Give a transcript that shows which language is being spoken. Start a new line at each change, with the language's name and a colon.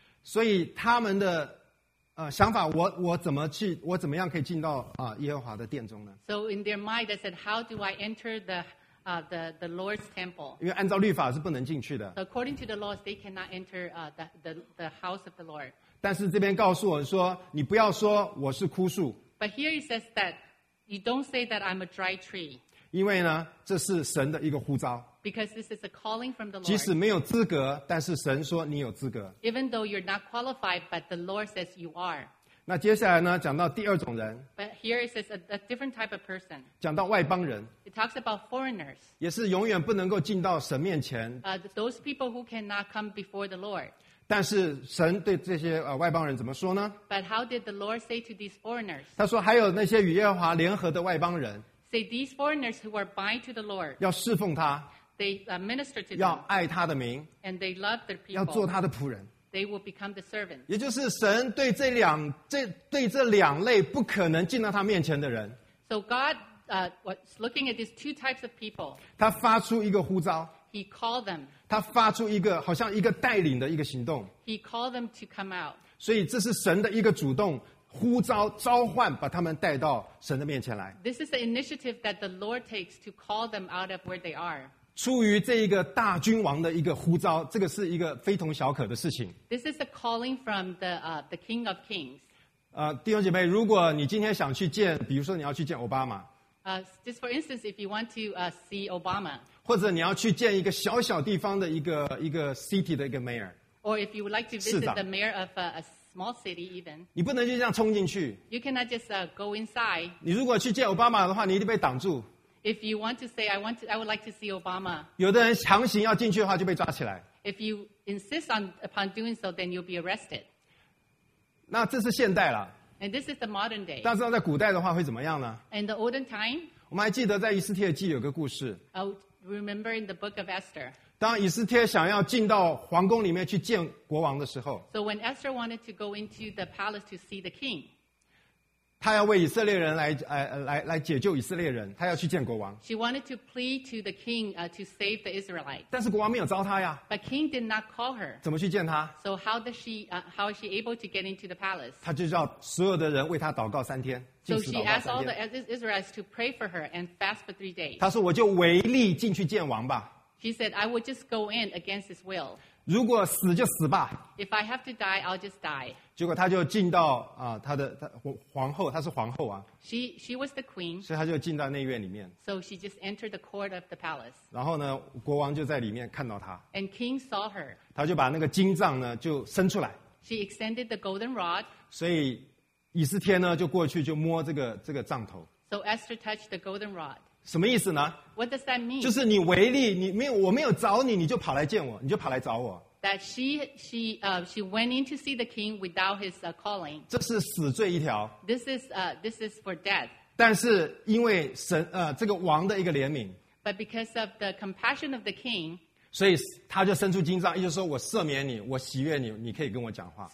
Chinese: 所以他们的想法，我怎么样可以进到耶和华的殿中呢？
English: So in their mind, they said, "How do I enter the Lord's temple?"
Chinese: 因为按照律法是不能进去的。
English: According to the laws, they cannot enter the house of the Lord.
Chinese: 但是这边告诉我说，你不要说我是枯树。
English: But here it says that you don't say that I'm a dry tree.
Chinese: 因为呢，这是神的一个呼召。
English: Because this is a calling from the Lord.
Chinese: 即使没有资格，但是神说你有资格。
English: Even though you're not qualified, but the Lord says you are.
Chinese: 那接下来呢，讲到第二种人。
English: But here it says a different type of person.
Chinese: 讲到外邦人。
English: It talks about foreigners.
Chinese: 也是永远不能够进到神面前。
English: Those people who cannot come before the Lord.
Chinese: 但是神对这些外邦人怎么说呢？
English: But how did the Lord say to these foreigners?
Chinese: 他说还有那些与耶和华联合的外邦人。
English: Say these foreigners who are bind to the Lord.
Chinese: 要侍奉他。
English: They minister to them.
Chinese: 要爱他的名。
English: And they love their people.
Chinese: 要做他的仆人。
English: They will become the servant.
Chinese: 也就是神对这两类不可能进到他面前的人。
English: So God was looking at these two types of people.
Chinese: 他发出一个呼召。
English: He called them.
Chinese: 他发出一个好像一个带领的一个行动。
English: He called them to come out.
Chinese: 所以这是神的一个主动呼召召唤，把他们带到神的面前来。
English: This is the initiative that the Lord takes to call them out of where they are.
Chinese: 出于这一个大君王的一个呼召，这个是一个非同小可的事情。
English: This is the calling from the King of Kings.
Chinese: 弟兄姐妹，如果你今天想去见，比如说你要去见奥巴马。
English: Just for instance, if you want to see Obama.
Chinese: 或者你要去见一个小小地方的一个 city 的一个 mayor.
English: Or if you would like to visit the mayor of a small city even.
Chinese: 你不能就这样冲进去。
English: You cannot just go inside.
Chinese: 你如果去见奥巴马的话，你一定被挡住。
English: If you want to say, I would like to see Obama.
Chinese: 有的人强行要进去的话，就被抓起来。
English: If you insist upon doing so, then you'll be arrested.
Chinese: 那这是现代了。
English: And this is the modern day.
Chinese: 大家知道在古代的话会怎么样呢？
English: In the olden time,
Chinese: 我们还记得在以斯帖记有个故事。
English: I remember in the book of Esther.
Chinese: 当以斯帖想要进到皇宫里面去见国王的时候。
English: So when Esther wanted to go into the palace to see the king.
Chinese: 他要为以色列人来解救以色列人，他要去见国王。
English: She wanted to plead to the king to save the Israelites.
Chinese: 但是国王没有招他呀。
English: But king did not call her.
Chinese: 怎么去见他
English: ？So how does she how is she able to get into the palace?
Chinese: 他就叫所有的人为他祷告三天。
English: So she asked all the Israelites to pray for her and fast for 3 days.
Chinese: 他说我就违例进去见王吧。
English: She said I would just go in against his will.
Chinese: 如果死就死吧。
English: If I have to die, I'll just die.
Chinese: 结果他就进到他的他皇后，她是皇后啊。
English: She was the queen.
Chinese: 所以他就进到内院里面。
English: So she just entered the court of the palace.
Chinese: 然后呢，国王就在里面看到她。
English: And king saw her.
Chinese: 他就把那个金杖呢就伸出来。
English: She extended the golden rod.
Chinese: 所以以斯帖呢就过去就摸这个杖头。
English: So Esther touched the golden rod.
Chinese: 什么意思呢
English: ？What does that mean？
Chinese: 就是你违例，你没有，我没有找你，你就跑来见我，你就跑来找我。
English: That she went in to see the king without his calling。
Chinese: 这是死罪一条。
English: This is for death。
Chinese: 但是因为神这个王的一个怜悯。
English: But because of the compassion of the king。
Chinese: 所以他就伸出金杖，也就是说我赦免你，我喜悦你，你可以跟我讲话。